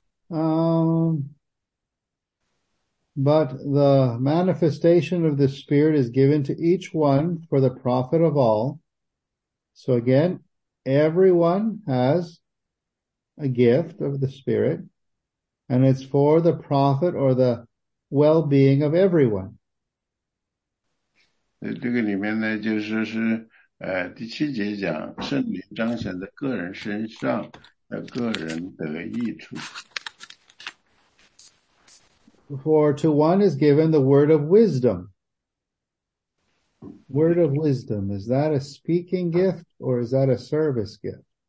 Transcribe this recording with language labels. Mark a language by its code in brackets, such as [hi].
[en] But the manifestation of the Spirit is given to each one for the profit of all. So again, everyone has a gift of the Spirit, and it's for the profit or the well-being of everyone. [zh] 这个里面呢，就是第七节讲，圣灵彰显在个人身上，个人得益处。 [en] For to one is given the word of wisdom. Word of wisdom, is that a speaking gift or is that a service gift?